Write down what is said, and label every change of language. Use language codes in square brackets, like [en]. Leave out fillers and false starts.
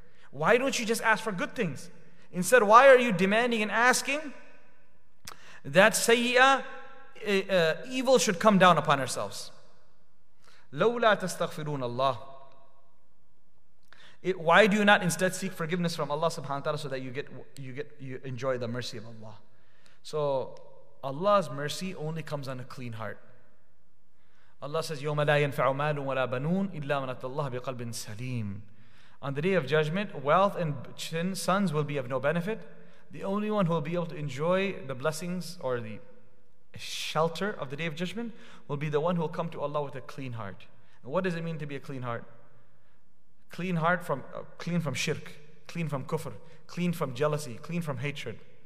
[en] Why don't you just ask for good things? Instead, why are you demanding and asking that sayya, evil, should come down upon ourselves? [ar] لَوْلَا تَسْتَغْفِرُونَ اللَّهِ. [en] Why do you not instead seek forgiveness from Allah subhanahu wa ta'ala so that you enjoy the mercy of Allah? So Allah's mercy only comes on a clean heart. Allah says, [ar] يَوْمَ لَا يَنْفَعُ مَالٌ وَلَا بَنُونَ إِلَّا مَنَ أَتَى اللَّهَ بِقَلْبٍ سَلِيمٍ. [en] On the day of judgment, wealth and sons will be of no benefit. The only one who will be able to enjoy the blessings or the shelter of the day of judgment will be the one who will come to Allah with a clean heart. And what does it mean to be a clean heart? Clean heart from clean from shirk, clean from kufr, clean from jealousy, clean from hatred.